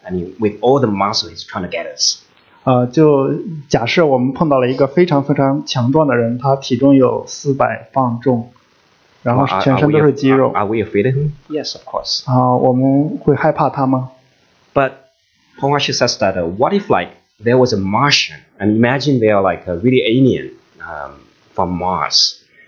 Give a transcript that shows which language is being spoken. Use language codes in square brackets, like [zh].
[en] I mean, with all the muscle he's trying to get us. [zh] 就假设我们碰到了一个非常非常强壮的人，他体重有400磅重，然后全身都是肌肉。 [en] Are we afraid of him? Yes, of course. [zh] 我们会害怕他吗？ [en] But Hong Hsu says that, what if like,There was a Martian, and imagine they are like a really alien from Mars.